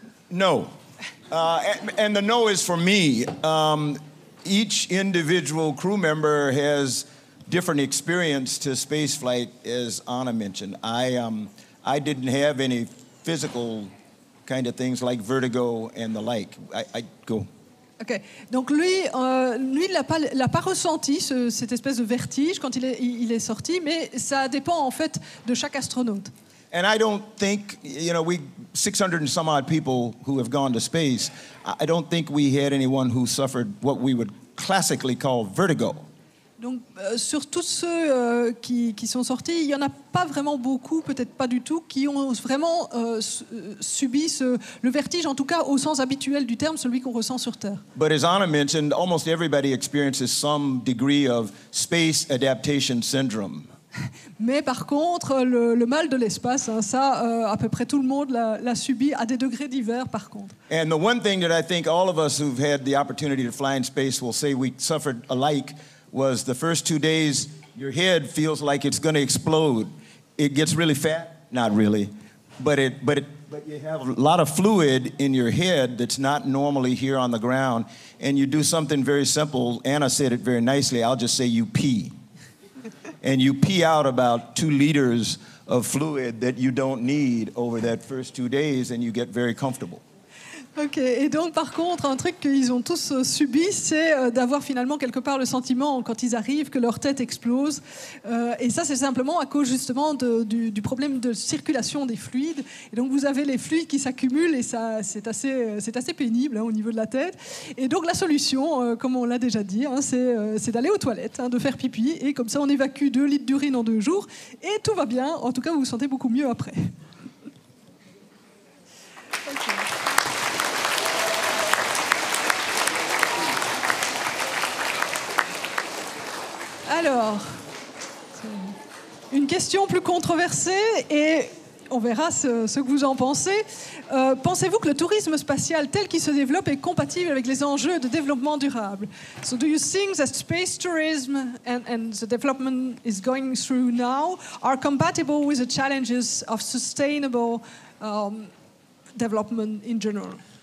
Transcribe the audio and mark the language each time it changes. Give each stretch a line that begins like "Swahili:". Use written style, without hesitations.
English: No. And the no is for me. Each individual crew member has different experience to space flight, as Anna mentioned. I didn't have any physical kind of things like vertigo and the like. I go.
French: Ok, donc lui l'a pas ressenti cette espèce de vertige quand il est sorti, mais ça dépend en fait de chaque astronaute.
English: And I don't think, you know, we 600 and some odd people who have gone to space, I don't think we had anyone who suffered what we would classically call vertigo.
French: Donc sur tous ceux qui sont sortis, il y en a pas vraiment beaucoup, peut-être pas du tout, qui ont vraiment subi le vertige, en tout cas au sens habituel du terme, celui qu'on ressent sur Terre.
English: But as Anna mentioned, almost everybody experiences some degree of space adaptation syndrome.
French: Mais par contre, le mal de l'espace, hein, ça, à peu près tout le monde l'a subi à des degrés divers, par contre.
English: And the one thing that I think all of us who've had the opportunity to fly in space will say we suffered alike. Was the first 2 days your head feels like it's going to explode? It gets really fat, not really, but you have a lot of fluid in your head that's not normally here on the ground, and you do something very simple. Anna said it very nicely. I'll just say you pee, and you pee out about 2 liters of fluid that you don't need over that first 2 days, and you get very comfortable.
French: Ok, et donc par contre, un truc qu'ils ont tous subi, c'est d'avoir finalement quelque part le sentiment, quand ils arrivent, que leur tête explose. Et ça, c'est simplement à cause justement du problème de circulation des fluides. Et donc vous avez les fluides qui s'accumulent et ça, c'est assez pénible, hein, au niveau de la tête. Et donc la solution, comme on l'a déjà dit, hein, c'est d'aller aux toilettes, hein, de faire pipi. Et comme ça, on évacue 2 litres d'urine en 2 jours. Et tout va bien. En tout cas, vous vous sentez beaucoup mieux après. Alors, une question plus controversée, et on verra ce que vous en pensez. Pensez-vous que le tourisme spatial tel qu'il se développe est compatible avec les enjeux de développement durable?
English: So do you think that space tourism and the development is going through now are compatible with the challenges of sustainable development in general?